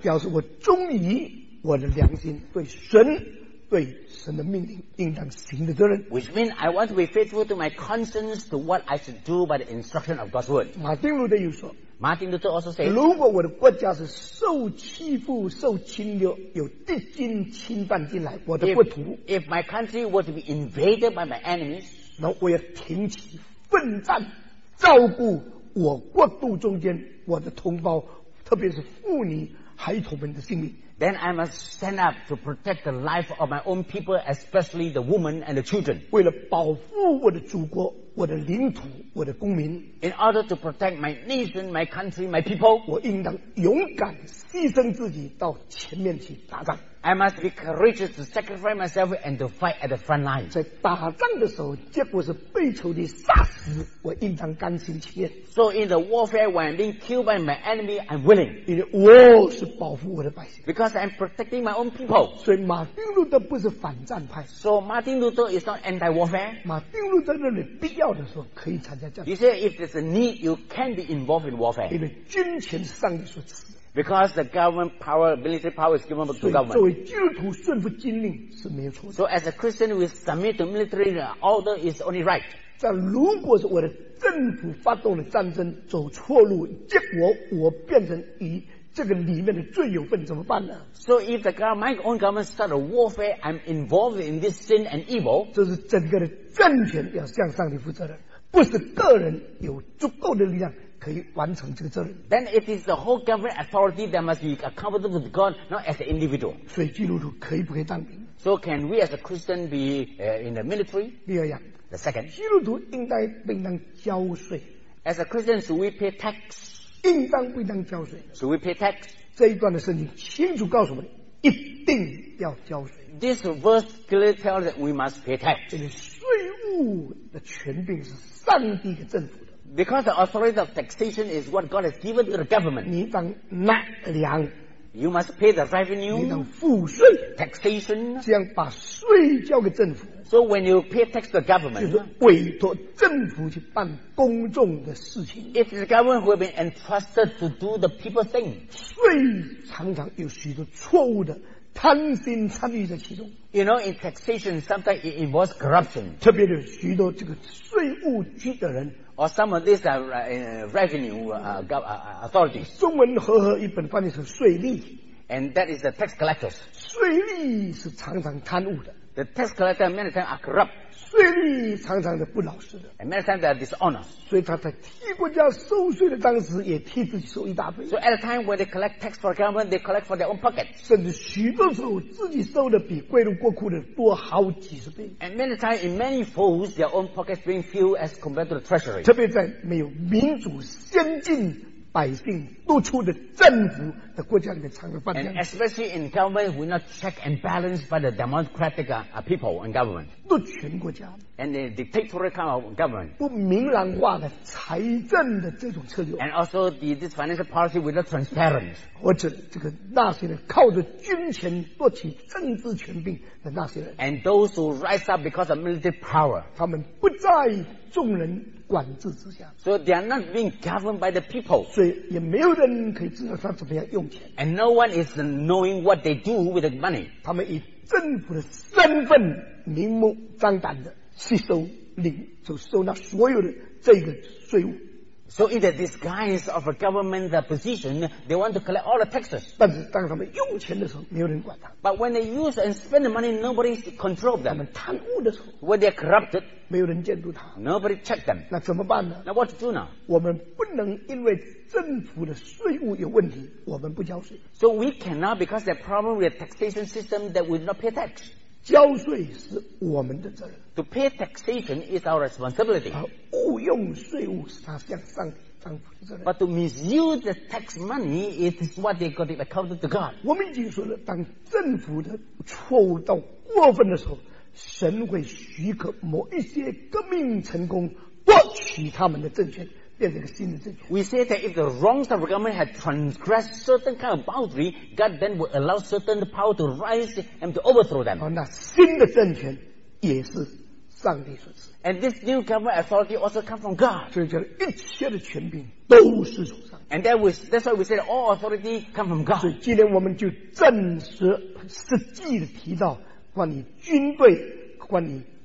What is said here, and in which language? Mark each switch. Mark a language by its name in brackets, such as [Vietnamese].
[Chinese] 表示我忠于我的良心，对神。对神的命令应当行的责任 [English] which means I want to be faithful to my conscience to what I should do by the instruction of God's word. [Chinese] 马丁路德又说 [English] Martin Luther also said [Chinese] 如果我的国家是受欺负受侵略有敌军侵犯进来我的国土 [English] if my country were to be invaded by my enemies [Chinese] 那我要挺起奋战照顾我国度中间我的同胞特别是妇女孩童们的性命 [English] Then I must stand up to protect the life of my own people, especially the women and the children. [Chinese] 为了保护我的祖国、我的领土、我的公民 [English] In order to protect my nation, my country, my people, [Chinese] 我应当勇敢牺牲自己到前面去打仗 [English] I must be courageous to sacrifice myself and to fight at the front line. [Chinese] 在打仗的时候，结果是被仇敌杀死，我应当甘心情愿 [English] So in the warfare when I'm being killed by my enemy, I'm willing. [Chinese] 因为我是保护我的百姓 [English] Because I'm protecting my own people. [Chinese] 所以马丁路德不是反战派 [English] So Martin Luther is not anti-warfare. [Chinese] 马丁路德认为必要的时候可以参加战争 [English] He said if there's a need, you can be involved in warfare. [Chinese] 因为军权是上帝所赐 [English] Because the government power, military power is given by the government. [Chinese] 作为基督徒顺服军令是没有错的。 [English] So as a Christian, we submit to military order is only right. [Chinese] 但如果是我的政府发动了战争，走错路，结果我变成以这个里面的罪有份，怎么办呢 [English] ？So if the government, my own government, start a warfare, I'm involved in this sin and evil. [Chinese] 这是整个的政权要向上帝负责任，不是个人有足够的力量。可以完成这个责任 [English] Then it is the whole government authority that must be accountable to God, not as an individual. [Chinese] 所以基督徒可以不可以当兵 [English] So can we as a Christian be in the military? [Chinese] 第二样 [English] The second. [Chinese] 基督徒应该不应当交税 [English] As a Christian, should we pay tax? [Chinese] 应当不应当交税 [English] Should we pay tax? [Chinese] 这一段的圣经清楚告诉我们一定要交税 [English] This verse clearly tells that we must pay tax. [Chinese] 这个税务的权柄是上帝给政府的 [English] Because the authority of taxation is what God has given to the government. [Chinese] 你当纳粮 [English] You must pay the revenue. [Chinese] 你当赋税 [English] Taxation. [Chinese] 这样把税交给政府 [English] So when you pay tax to the government. [Chinese] 就是委托政府去办公众的事情 [English] It is the government who have been entrusted to do the people's thing. [Chinese] 税常常有许多错误的贪心参与在其中 [English] You know, in taxation, sometimes it involves corruption. [Chinese] 特别有许多这个税务局的人 [English] Or some of these revenue authorities. [Chinese] 中文和合一本翻译成税吏 [English] And that is the tax collectors. [Chinese] 税吏是常常贪污的 [English] The tax collectors many times are corrupt. [Chinese] 税吏常常是不老实的 [English] And many times they are dishonest. [Chinese] 所以他在替国家收税的当时也替自己收一大堆 [English] So at a time when they collect tax for government, they collect for their own pocket. [Chinese] 甚至许多时候自己收的比贿赂国库的多好几十倍 [English] And many times in many folds, their own pockets being filled as compared to the treasury. [Chinese] 特别在没有民主先进百姓督促的政府的国家里面藏着犯罪。 [English] And especially in government, we're not checked and balanced by the democratic people in government. [Chinese] 督权国家。 [English] And the dictatorial kind of government. [Chinese] 不明朗化的财政的这种策略。 [English] And also this financial policy without transparent. [Chinese] 或者这个纳粹人靠着军权夺取政治权柄的纳粹人。 [English] And those who rise up because of military power. [Chinese] 他们不在众人管制之下。 [English] So they are not being governed by the people. [Chinese] 所以也没有人可以知道他怎么样用钱。 [English] And no one is knowing what they do with the money. [Chinese] 他们以政府的身份明目张胆的吸收领就收纳所有的这个税务。 [English] So in the disguise of a government position, they want to collect all the taxes. [Chinese] 但是当他们用钱的时候，没有人管他。 [English] But when they use and spend the money, nobody controls them. [Chinese] 他们贪污的时候 [English] ，when they're corrupted, [Chinese] 没有人监督他。 [English] Nobody checks them. [Chinese] 那怎么办呢 [English] ？Now what to do now? [Chinese] 我们不能因为政府的税务有问题，我们不交税。 [English] So we cannot because the problem with the taxation system that we not pay tax. [Chinese] 交税是我们的责任。 [English] To pay taxation is our responsibility. [Chinese] 误用税务是他向上帝担负的责任。 [English] But to misuse the tax money is what they got it accounted to God. [Chinese] 我们已经说了，当政府的错误到过分的时候，神会许可某一些革命成功夺取他们的政权。 [English] We say that if the wrongs of the government had transgressed certain kind of boundary, God then would allow certain power to rise and to overthrow them. [Chinese] 那新的政权也是上帝所赐。 [English] And this new government authority also comes from God. [Chinese] 所以叫一切的权柄都是从上帝。 [English] And that's why we say that all authority comes from God. [Chinese] 所以今天我们就正式实际的提到关于军队，关于。